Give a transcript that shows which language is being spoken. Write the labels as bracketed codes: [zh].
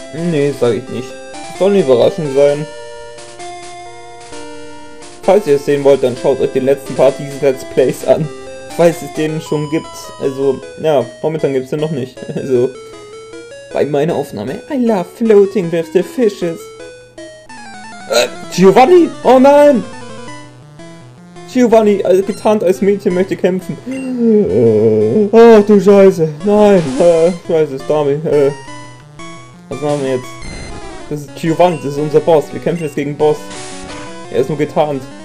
[de] Nee, sage ich nicht. Soll eine Überraschung sein. Falls ihr es sehen wollt, dann schaut euch den letzten Part dieses Let's Plays an. Falls es den schon gibt. Also, ja, momentan gibt es den noch nicht. Also, bei meiner Aufnahme. [en] I love floating with the fishes. [de] Giovanni! Oh nein! Giovanni, also getarnt als Mädchen, möchte kämpfen. Oh, du Scheiße. Nein. Scheiße, Stami. Was machen wir jetzt? Das ist Giovanni, das ist unser Boss. Wir kämpfen jetzt gegen Boss. Er ist nur getarnt.